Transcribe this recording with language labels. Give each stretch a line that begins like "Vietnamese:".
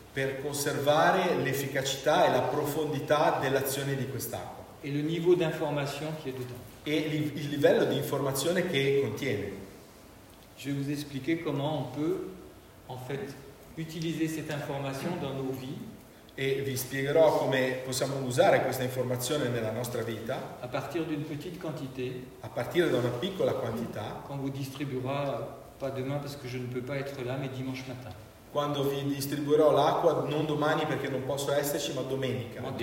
Italian: Per conservare l'efficacità e la profondità dell'azione di quest'acqua. E il livello di informazione che è dedans. E il livello di informazione che contiene.
French: Je vais vous expliquer comment on peut, en fait, utiliser cette information dans nos vies.
Italian: E vi spiegherò come possiamo usare questa informazione nella nostra vita.
French: A partir d'une petite quantité.
Italian: A partire da una piccola quantità.
French: Qu'on vous distribuera, pas demain parce que je ne peux pas être là, mais dimanche matin.
Italian: Quando vi distribuirò l'acqua, non domani perché non posso esserci, ma domenica.